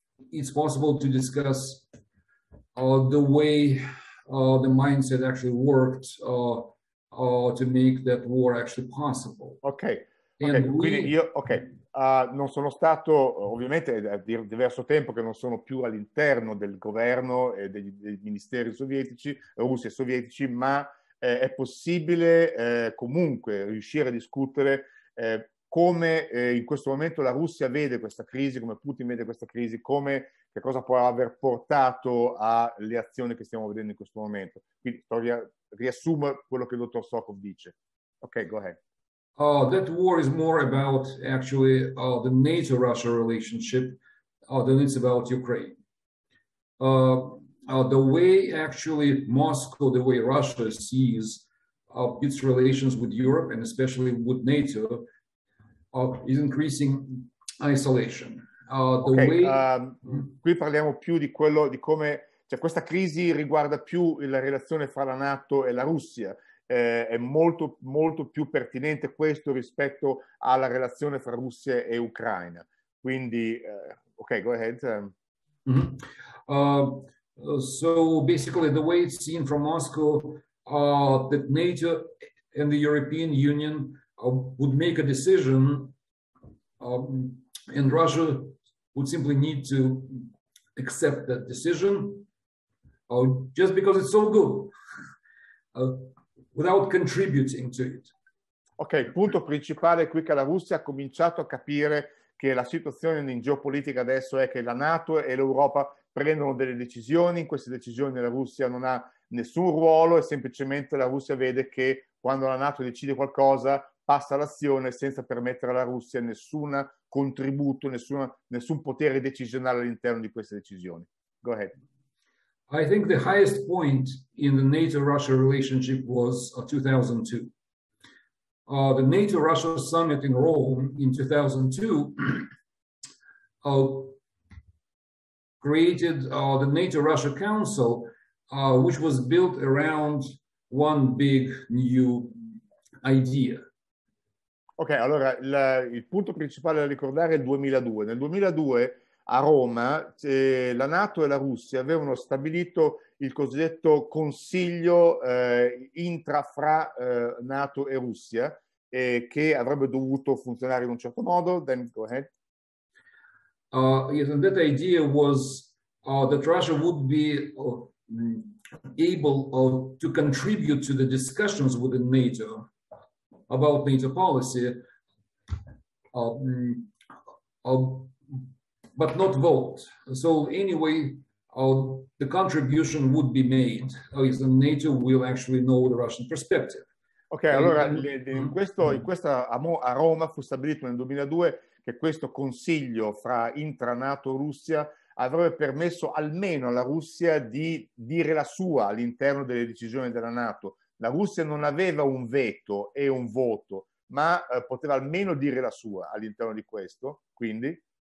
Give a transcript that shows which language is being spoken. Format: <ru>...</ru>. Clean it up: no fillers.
<en>It's possible to discuss the way the mindset actually worked to make that war actually possible. Okay.</en> <it>Quindi io, non sono stato, ovviamente è diverso tempo che non sono più all'interno del governo e dei ministeri sovietici, russi e sovietici, ma è possibile comunque riuscire a discutere come in questo momento la Russia vede questa crisi, come Putin vede questa crisi, come che cosa può aver portato alle azioni che stiamo vedendo in questo momento. Quindi riassumo quello che il dottor Sokov dice.</it> <en>Ok, go ahead. That war is more about actually the NATO-Russia relationship than it's about Ukraine. The way actually Moscow, the way Russia sees of its relations with Europe and especially with NATO is increasing isolation.</en> <it>Qui parliamo più di quello di come, cioè questa crisi riguarda più la relazione fra la NATO e la Russia. È molto molto più pertinente questo rispetto alla relazione fra Russia e Ucraina. Quindi,</it> <en>okay, go ahead. Mm-hmm. So basically, the way it's seen from Moscow, that NATO and the European Union would make a decision, and Russia would simply need to accept that decision, just because it's so good, without contributing to it.</en> <it>Ok, il punto principale qui che la Russia ha cominciato a capire che la situazione in geopolitica adesso è che la NATO e l'Europa prendono delle decisioni, in queste decisioni la Russia non ha nessun ruolo e semplicemente la Russia vede che quando la NATO decide qualcosa passa all'azione senza permettere alla Russia nessun contributo, nessun potere decisionale all'interno di queste decisioni.</it> <en>Go ahead. I think the highest point in the NATO-Russia relationship was 2002. The NATO-Russia summit in Rome in 2002 created the NATO-Russia Council, which was built around one big new idea.</en> <it>Ok, allora il punto principale da ricordare è il 2002. Nel 2002 a Roma la NATO e la Russia avevano stabilito il cosiddetto consiglio NATO e Russia, che avrebbe dovuto funzionare in un certo modo.</it> <en>Then go ahead. Yes, and that idea was that Russia would be able to contribute to the discussions within NATO about NATO policy, but not vote. So anyway, the contribution would be made. So NATO will actually know the Russian perspective.</en> <it>Okay, allora, a Roma fu stabilito nel 2002 che questo consiglio fra intra-NATO Russia avrebbe permesso almeno alla Russia di dire la sua all'interno delle decisioni della NATO. La Russia non aveva un veto e un voto, ma poteva almeno dire la sua all'interno di questo, quindi?</it>